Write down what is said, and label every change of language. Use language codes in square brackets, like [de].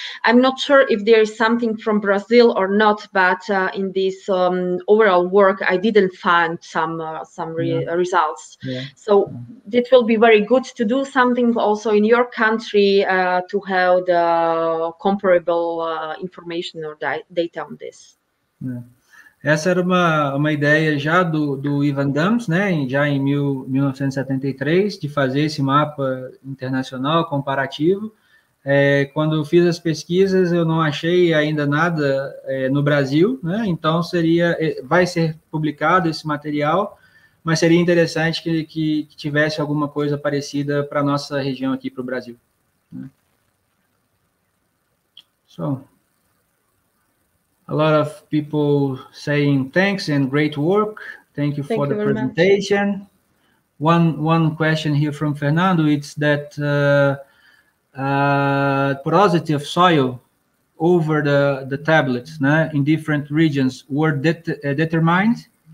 [en] I'm not sure if there is something from Brazil or not, but in this overall work, I didn't find some results. Yeah. So it will be very good to do something also in your country to have the comparable information or data on this. Yeah. [pt] Essa era uma ideia já do Ivan Gams, né, já em 1973, de fazer esse mapa internacional comparativo. Quando eu fiz as pesquisas, eu não achei ainda nada no Brasil, né, então vai ser publicado esse material, mas seria interessante que tivesse alguma coisa parecida para a nossa região aqui, para o Brasil. Né. [en] So. A lot of people saying thanks and great work. Thank you for the presentation. One question here from Fernando, it's that porosity of soil over the tablets, né, in different regions were determined.